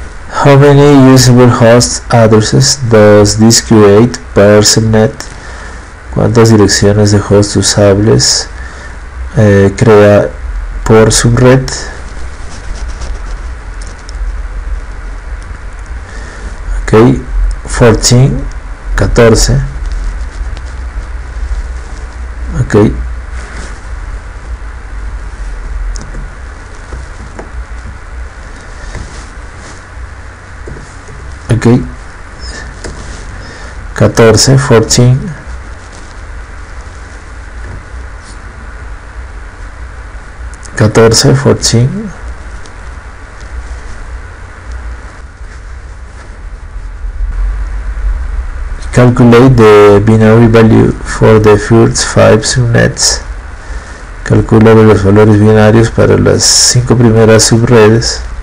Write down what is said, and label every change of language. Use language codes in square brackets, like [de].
[en] How many usable host addresses does this create per subnet? [es] ¿Cuántas direcciones de host usables crea por subred? Ok, 14, 14. Ok. Ok. 14, 14. Catorce, fourteen. [en] Calculate the binary value for the first five subnets. [es] Calcula los valores binarios para las cinco primeras subredes.